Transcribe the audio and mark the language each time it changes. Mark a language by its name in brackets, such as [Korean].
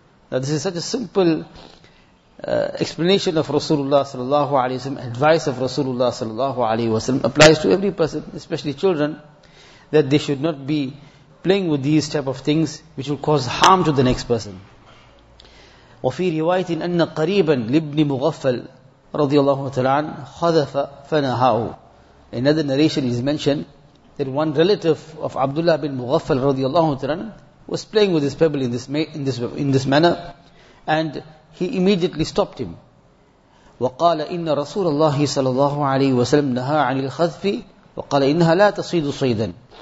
[English] Now this is such a simple explanation of Rasulullah sallallahu alaihi wasallam, advice of Rasulullah sallallahu alaihi wasallam applies to every person, especially children, that they should not be playing with these type of things which will cause harm to the next person. [Arabic] وفي رواية أن قريبا لابن مغفل رضي الله تعالى عنه خذف فنهاه. [English] Another narration is mentioned that one relative of Abdullah bin Mughaffal [Arabic] رضي الله تعالى عنه [English] was playing with his pebble in this manner, and he immediately stopped him. [Arabic] وَقَالَ إِنَّ رَسُولَ اللَّهِ صَلَى اللَّهُ عَلَيْهِ وَسَلَمْ نَهَا عَنِ الْخَذْفِ وَقَالَ إِنَّهَا لَا تَصِيدُ صَيْدًا.